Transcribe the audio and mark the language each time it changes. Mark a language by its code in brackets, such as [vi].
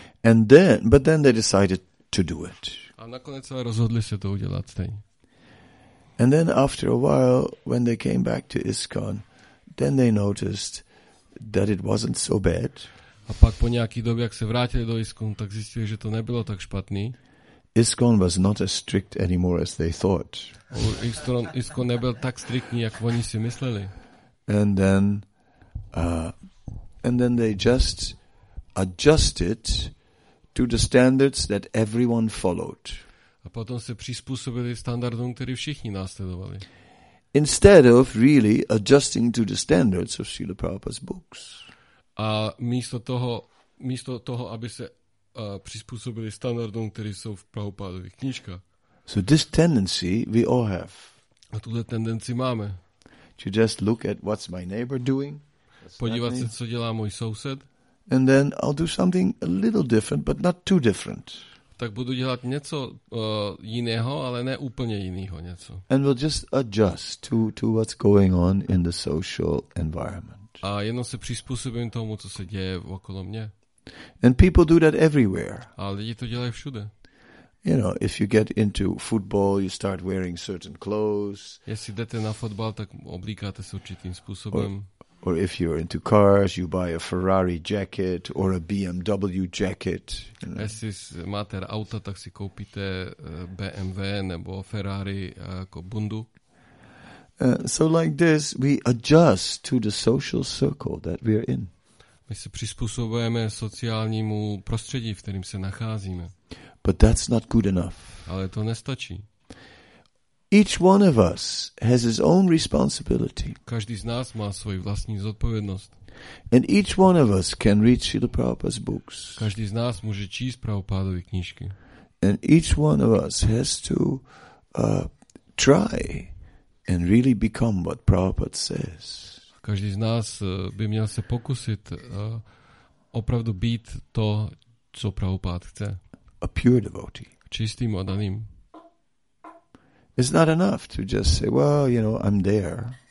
[en] And then, but then they decided to do it. [cs] A nakonec se rozhodli se to udělat stejně. [en] And then after a while, when they came back to ISKCON, then they noticed that it wasn't so bad. [cs] A pak po nějaký době, jak se vrátili do ISKCON, tak zjistili, že to nebylo tak špatný. [en] ISKCON was not as strict anymore as they thought. [cs] ISKCON nebyl tak striktní, jak oni si mysleli. [en] And then they just adjusted to the standards that everyone followed. [cs] A potom se přizpůsobili standardům, které všichni následovali. [en] Instead of really adjusting to the standards of Srila Prabhupada's books. [cs] A místo toho, aby se a přizpůsobili standardům, které jsou v Prabhupádových knížkách. [en] So this tendency we all have. [cs] A tuhle tendenci máme. [en] To just look at what's my neighbor doing. [cs] Podívat se, co dělá můj soused. [en] And then I'll do something a little different, but not too different. [cs] Tak budu dělat něco jiného, ale ne úplně jiného něco. [en] And we'll just adjust to what's going on in the social environment. [cs] A jenom se přizpůsobím tomu, co se děje okolo mě. [en] And people do that everywhere. [cs] A lidi to dělají všude. [en] You know, if you get into football, you start wearing certain clothes. [cs] Jestli jdete na fotbal, tak oblíkáte se určitým způsobem. [en] Or if you're into cars, you buy a Ferrari jacket or a BMW jacket. [cs] Jestli máte auta, tak si koupíte BMW nebo Ferrari jako bundu. [en] So like this, we adjust to the social circle that we're in. [cs] My se přizpůsobujeme sociálnímu prostředí, v kterém se nacházíme. [en] But that's not good enough. [cs] Ale to nestačí. [en] Each one of us has his own responsibility. [cs] Každý z nás má svoji vlastní zodpovědnost. [en] And each one of us can read Srila Prabhupada's books. [cs] Každý z nás může číst Prabhupádovy knížky. [en] And each one of us has to try and really become what Prabhupada says. [cs] Každý z nás by měl se pokusit opravdu být to, co Prabhupád chce. [en] A pure devotee. [cs] Čistým oddaným. [en] It's not enough to just say, well, you know, I'm there.